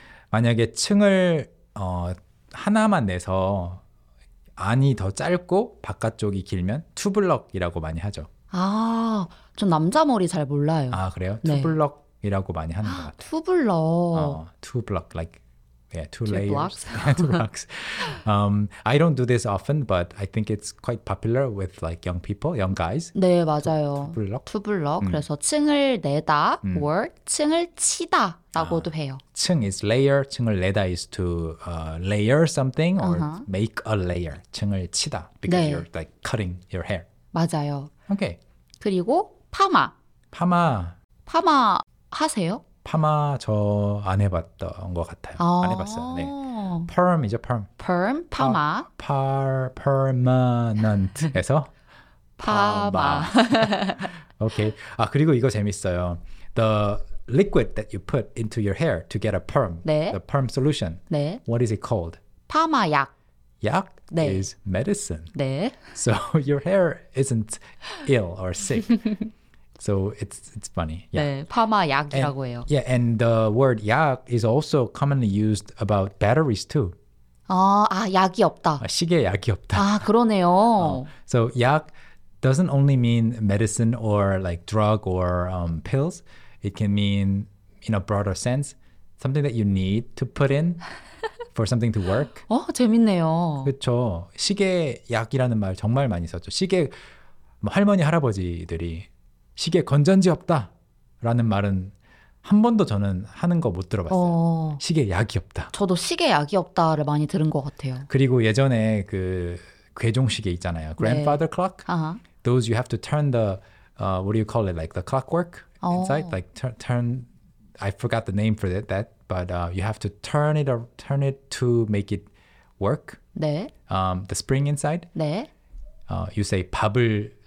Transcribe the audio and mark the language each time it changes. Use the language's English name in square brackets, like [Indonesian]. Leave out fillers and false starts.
[Korean] 만약에 층을 하나만 내서 안이 더 짧고 바깥쪽이 길면 투블럭이라고 많이 하죠. 아, 전 남자 머리 잘 몰라요. 아, 그래요? 네. 투블럭이라고 많이 하는 것 같아요. 투블럭. [English] 투블럭, like yeah, two layers. Blocks? Two blocks. I don't do this often, but I think it's quite popular with like young people, young guys. [Korean] 네, 맞아요. 투블럭. 투블럭. 그래서 층을 내다 or 층을 치다라고도 해요. [English] 층 is layer. 층을 내다 is to layer something or make a layer. [Korean] 층을 치다 because 네. [English] you're like cutting your hair. [Korean] 맞아요. [English] Okay. [Korean] 그리고 파마. 파마. 파마 하세요? 파마 저 안 해봤던 것 같아요. 아~ 안 해봤어요. 네. Perm이죠, perm. [English] Perm, 파마. Permanent에서 [Korean] 파마. 오케이. 아 그리고 이거 재밌어요. [English] The liquid that you put into your hair to get a perm, [Korean] 네. [English] the perm solution. [Korean] 네. [English] What is it called? [Korean] 파마 약. 약 네. [English] is medicine. [Korean] 네. [English] So your hair isn't ill or sick. So it's funny. Yeah. [Korean] 네, 파마 약이라고 [English] and, [Korean] 해요. [English] Yeah, and the word 약 is also commonly used about batteries too. [Korean] 아, 약이 없다. 아, 시계 약이 없다. 아, 그러네요. [English] So 약 doesn't only mean medicine or like drug or pills. It can mean in a broader sense something that you need to put in for something to work. [Korean] 어, 재밌네요. 그렇죠. 시계 약이라는 말 정말 많이 썼죠. 시계 뭐 할머니 할아버지들이 시계 건전지 없다 라는 말은 한 번도 저는 하는 거 못 들어봤어요. 시계 약이 없다. 저도 시계 약이 없다를 많이 들은 것 같아요. 그리고 예전에 그 괴종 시계 있잖아요. [English] Grandfather [Korean] 네. [English] clock. Uh-huh. Those you have to turn the, what do you call it? Like the clockwork inside? Like turn, I forgot the name for that. But you have to turn it to make it work. [Korean] 네. [English] The spring inside. [Korean] 네. [English] You say 밥을.